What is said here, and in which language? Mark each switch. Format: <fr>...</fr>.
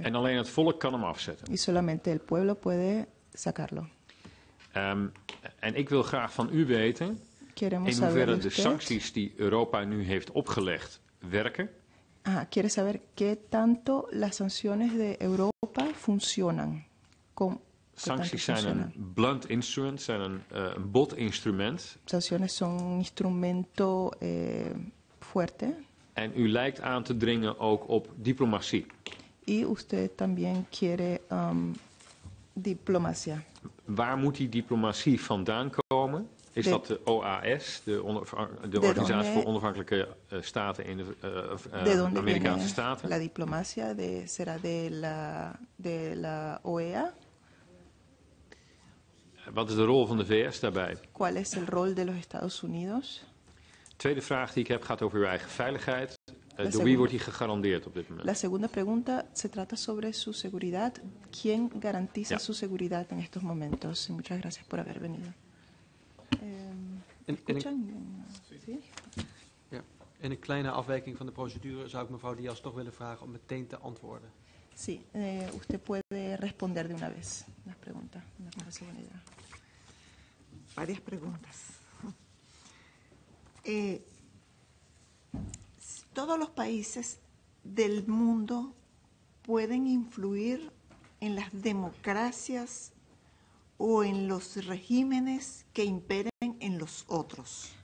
<nl>En alleen het volk kan hem afzetten.</nl> <es>Y solamente el pueblo puede sacarlo.</es> <nl>En ik wil graag van u weten</nl> <es>queremos</es> <nl>in hoeverre de</nl> <es>usted</es> <nl>sancties die Europa nu heeft opgelegd werken.</nl> <es>Quiere saber qué tanto las sanciones de Europa funcionan.</es> <nl>Sancties zijn een blunt instrument, zijn een bot instrument.</nl> <es>Sanciones son un instrumento fuerte.</es> <nl>En u lijkt aan te dringen ook op diplomatie.</nl> <es>Y usted también quiere diplomacia.</es> <nl>Waar moet die diplomatie vandaan komen? Is dat de OAS, de Organisatie voor Onafhankelijke Staten in de Amerikaanse Staten?</nl> <es>La diplomacia será de la OEA?</es> <nl>Wat is de rol van de VS daarbij?</nl> <es>¿Cuál es el rol de los Estados Unidos?</es> <nl>Tweede vraag die ik heb gaat over uw eigen veiligheid. Door wie wordt die gegarandeerd op dit moment?</nl> <es>La segunda pregunta se trata sobre su seguridad. ¿Quién garantiza su seguridad en estos momentos? Y muchas gracias por haber venido.</es> <nl>En een kleine afwijking van de procedure zou ik mevrouw Diaz toch willen vragen om meteen te antwoorden.</nl> <es>Sí, usted puede responder de una vez las preguntas. Una okay. Varias preguntas. Todos los países del mundo pueden influir en las democracias o en los regímenes que imperen en los otros.</es>